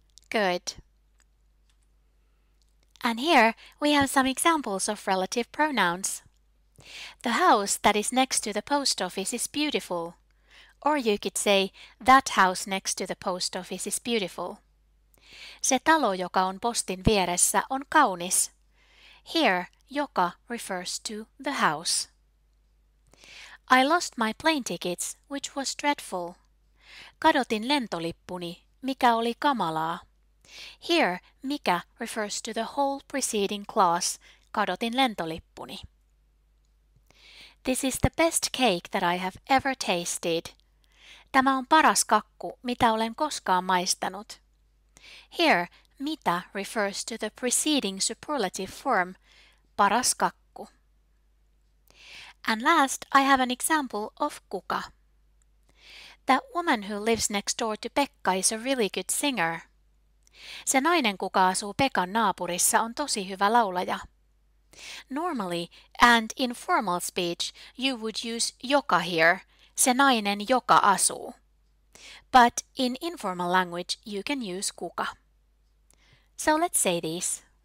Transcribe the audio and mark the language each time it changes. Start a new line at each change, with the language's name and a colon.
English: Good. And here we have some examples of relative pronouns. The house that is next to the post office is beautiful. Or you could say, that house next to the post office is beautiful.
Finnish: Se talo, joka on postin vieressä, on kaunis.
English: Here, joka refers to the house. I lost my plane tickets, which was dreadful.
Finnish: Kadotin lentolippuni, mikä oli kamalaa.
English: Here, mikä refers to the whole preceding clause,
Finnish: kadotin lentolippuni.
English: This is the best cake that I have ever tasted.
Finnish: Tämä on paras kakku, mitä olen koskaan maistanut.
English: Here, mitä refers to the preceding superlative form, paras kakku. And last, I have an example of kuka. That woman who lives next door to Pekka is a really good singer.
Finnish: Se nainen, kuka asuu Pekan naapurissa, on tosi hyvä laulaja.
English: Normally, and in formal speech, you would use joka here,
Finnish: se nainen, joka asuu.
English: But in informal language, you can use kuka. So let's say this.